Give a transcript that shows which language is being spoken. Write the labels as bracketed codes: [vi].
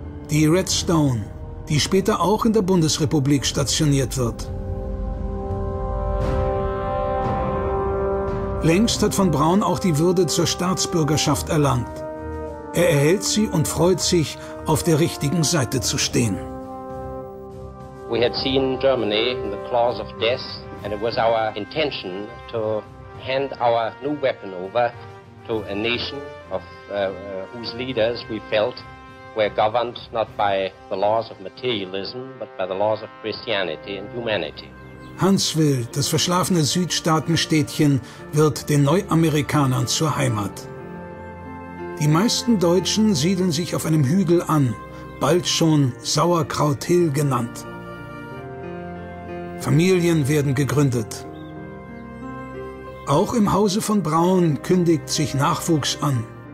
[de] Die Redstone, die später auch in der Bundesrepublik stationiert wird. Längst hat von Braun auch die Würde zur Staatsbürgerschaft erlangt. Er erhält sie und freut sich, auf der richtigen Seite zu stehen. [en] We had seen Germany in the claws of death, and it was our intention to hand our new weapon over to a nation of whose leaders we felt were governed not by the laws of materialism, but by the laws of Christianity and humanity. [de] Huntsville, das verschlafene Südstaatenstädtchen, wird den Neuamerikanern zur Heimat. Die meisten Deutschen siedeln sich auf einem Hügel an, bald schon Sauerkraut Hill genannt. Familien werden gegründet. Auch im Hause von Braun kündigt sich Nachwuchs an.